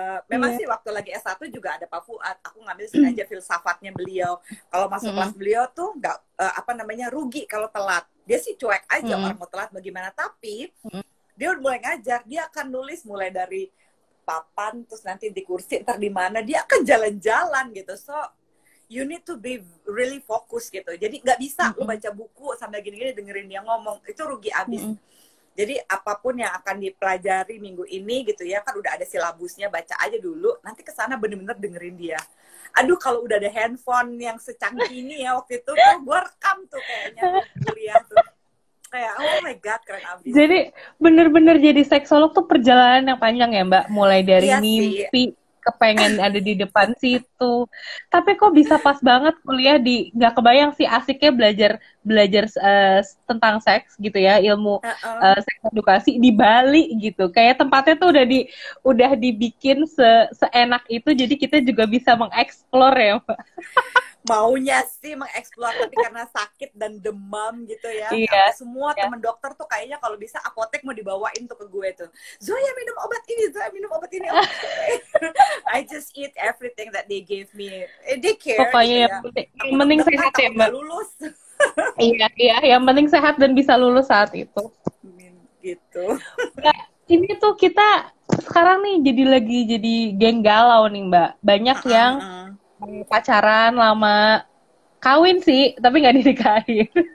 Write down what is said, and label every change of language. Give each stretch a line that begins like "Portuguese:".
Indonesian: Memang sih waktu lagi S1 juga ada Pak Fuad. Aku ngambil sengaja filsafatnya beliau. Kalau masuk kelas beliau tuh nggak rugi kalau telat. Dia sih cuek aja orang mau telat bagaimana. Tapi dia udah mulai ngajar. Dia akan nulis mulai dari papan, terus nanti di kursi, ntar di mana. Dia akan jalan-jalan gitu.
English: So you need to be really focused gitu.
Indonesian: Jadi nggak bisa lu baca buku sambil gini-gini dengerin dia ngomong. Itu rugi abis. Jadi apapun yang akan dipelajari minggu ini gitu ya, kan udah ada silabusnya, baca aja dulu. Nanti kesana bener-bener dengerin dia. Aduh, kalau udah ada handphone yang secanggih ini ya waktu itu, tuh gue rekam tuh kayaknya kuliah tuh. Kayak,
English: oh my God,
Indonesian: keren abis. Jadi bener-bener jadi seksolog tuh perjalanan yang panjang ya Mbak? Mulai dari mimpi, kepengen ada di depan situ. Tapi kok bisa pas banget kuliah di, gak kebayang sih asiknya belajar tentang seks gitu ya, ilmu seks edukasi di Bali gitu. Kayak tempatnya tuh udah dibikin seenak itu, jadi kita juga bisa mengeksplor ya Mbak. Maunya sih mengeksplor, tapi karena sakit dan demam gitu ya. Semua teman dokter tuh kayaknya kalau bisa apotek mau dibawain tuh ke gue tuh. Zoya minum obat ini, Zoya minum obat ini.
English: I just eat everything that they gave me. They care.
Indonesian: Pokoknya gitu ya. Yang penting sehat ya, Mbak. Gak lulus. Iya, yang penting sehat dan bisa lulus saat itu. Gitu. Nah, ini tuh kita sekarang nih jadi lagi jadi geng galau nih Mbak. Banyak yang pacaran lama, kawin sih tapi nggak dinikahin.